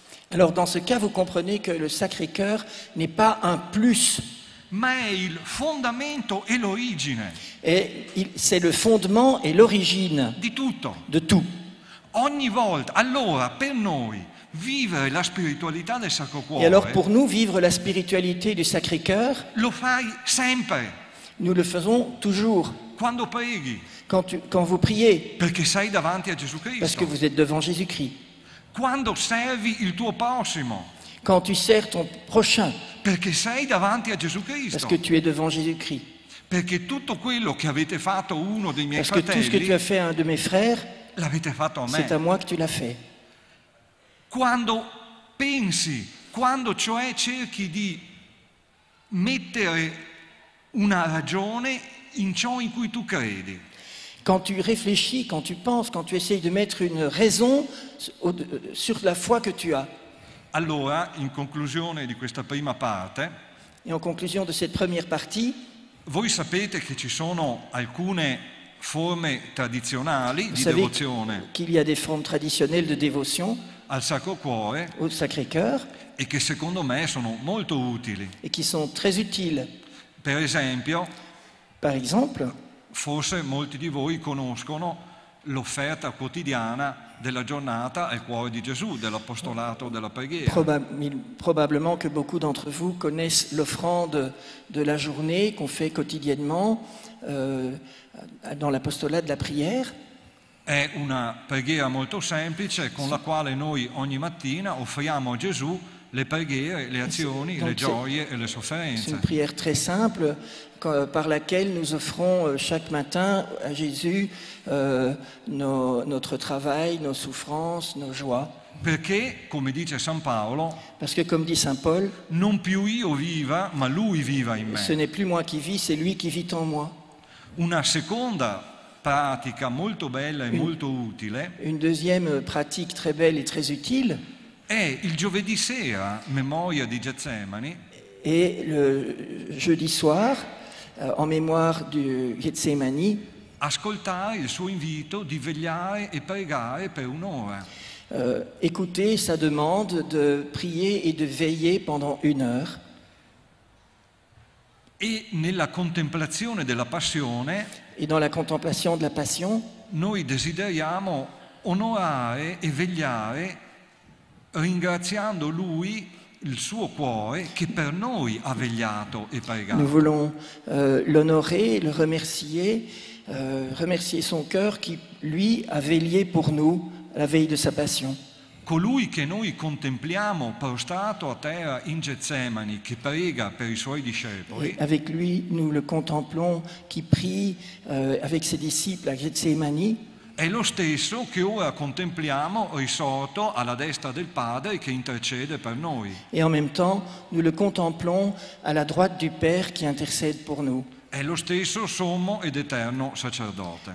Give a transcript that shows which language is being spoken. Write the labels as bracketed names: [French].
[French] Alors dans ce cas vous comprenez que le Sacré-Cœur n'est pas un plus. [Italian] Ma è il fondamento e l'origine. [French] Et c'est le fondement et l'origine. [Italian] Di tutto. [French] De tout. [Italian] Ogni volta, allora per noi vivere la spiritualità del Sacro Cuore. [French] Et alors pour nous vivre la spiritualité du Sacré-Cœur. [Italian] Lo fai sempre. [French] Nous le faisons toujours. [Italian] Quando preghi. [French] Quand vous priez. [Italian] Perché sei davanti a Gesù Cristo. [French] Parce que vous êtes devant Jésus-Christ. [Italian] Quando servi il tuo prossimo. [French] Quand tu sers ton prochain. [Italian] Perché sei davanti a Gesù Cristo. [French] Parce que tu es devant Jésus-Christ. [Italian] Perché tutto quello che avete fatto uno dei miei [French] Parce [Italian] fratelli. [French] Parce que tout ce que tu as fait à un de mes frères. [Italian] L'avete fatto a me. [French] C'est à moi que tu l'as fait. [Italian] Quando pensi, quando cioè cerchi di mettere una ragione in ciò in cui tu credi. [French] Quand tu réfléchis, quand tu penses, quand tu essayes de mettre une raison sur la foi que tu as. [Italian] Allora, in conclusione di questa prima parte. [French] Et en conclusion de cette première partie. [Italian] Voi sapete che ci sono alcune forme tradizionali di devozione. [French] Qu'il y a des formes traditionnelles de dévotion. [Italian] Al Sacro Cuore. [French] Au Sacré-Cœur. [Italian] E che secondo me sono molto utili. [French] Et qui sont très utiles. [Italian] Per esempio. [French] Par exemple. [Italian] Forse molti di voi conoscono l'offerta quotidiana della giornata al cuore di Gesù, dell'apostolato della preghiera. [French] Probablement que beaucoup d'entre vous connaissent l'offrande de la journée qu'on fait quotidiennement dans l'apostolat de la prière. [Italian] È una preghiera molto semplice con la quale noi ogni mattina offriamo a Gesù le preghiere, le azioni, le gioie e le sofferenze. [French] C'est une prière très simple par laquelle nous offrons chaque matin à Jésus notre travail, nos souffrances, nos joies. [Italian] Perché, come dice San Paolo, [French] parce que comme dit Saint Paul, [Italian] non più io viva, ma lui viva in me. [French] Ce n'est plus moi qui vis, c'est lui qui vit en moi. [Italian] Una seconda pratica molto bella e molto utile. [French] Une deuxième pratique très belle et très utile. [Italian] Et il giovedì sera, memoria di Getsemani. [French] Et le jeudi soir, en mémoire du Getsemani. [Italian] Ascoltare il suo invito di vegliare e pregare per un'ora. [French] Écouter sa demande de prier et de veiller pendant une heure. [Italian] Et nella contemplazione della passione. [French] Et dans la contemplation de la passion. [Italian] Noi desideriamo onorare e vegliare. Ringraziando lui il suo cuore che per noi ha vegliato e pregato. [French] Nous voulons l'honorer, le remercier, remercier son cœur qui lui a veillé pour nous la veille de sa passion. [Italian] Colui che noi contempliamo prostrato a terra in Getsemani che prega per i suoi discepoli. [French] Et avec lui nous le contemplons qui prie avec ses disciples à Getsemani. [Italian] È lo stesso che ora contempliamo risorto alla destra del Padre che intercede per noi. [French] Et en même temps, nous le contemplons à la droite du Père qui intercède pour nous. [Italian] È lo stesso sommo ed eterno sacerdote.